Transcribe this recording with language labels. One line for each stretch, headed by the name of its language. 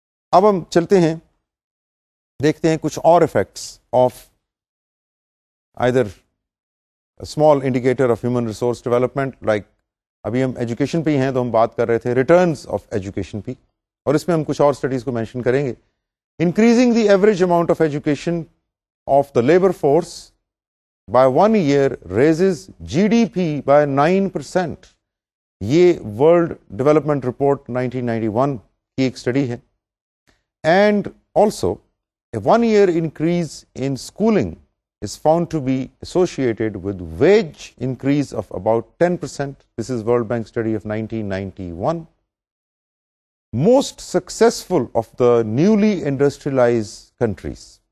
Urdu: اب ہم چلتے ہیں, دیکھتے ہیں کچھ اور
English: Effects of either small indicator of human resource development.
Urdu: Like ابھی ہم ایجوکیشن پہ ہی ہیں تو ہم بات کر رہے تھے
English: returns of education
Urdu: پہ, اور اس میں ہم کچھ اور اسٹڈیز کو مینشن کریں گے.
English: Increasing the average amount of education of the labour force by 1 year raises G D P by 9%.
Urdu: یہ ورلڈ ڈیولپمنٹ رپورٹ 1991 کی ایک اسٹڈی ہے.
English: And also 1 year increase in schooling is found to be associated with wage increase of about 10%. This is World Bank study of 1991. Most successful of the newly industrialized countries.